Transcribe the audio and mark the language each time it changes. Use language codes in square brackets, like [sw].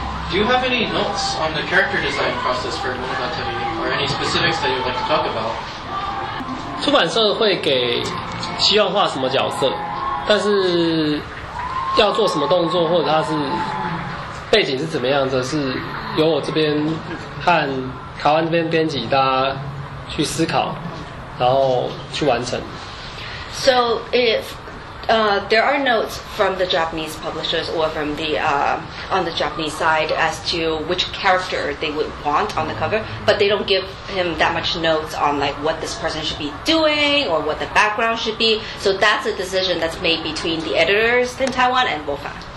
[en] Do you have any notes on the character design process for Monogatari, or any specifics that you'd like to talk about? [zh] 出版社会给希望画什么角色，但是要做什么动作，或者它是背景是怎么样，这是由我这边和台湾这边编辑大家去思考，然后去完成。 [en] So if there are notes from the Japanese publishers or from the on the Japanese side as to which character they would want on the cover, but they don't give him that much notes on like what this person should be doing or what the background should be. So that's a decision that's made between the editors in Taiwan and Volfan.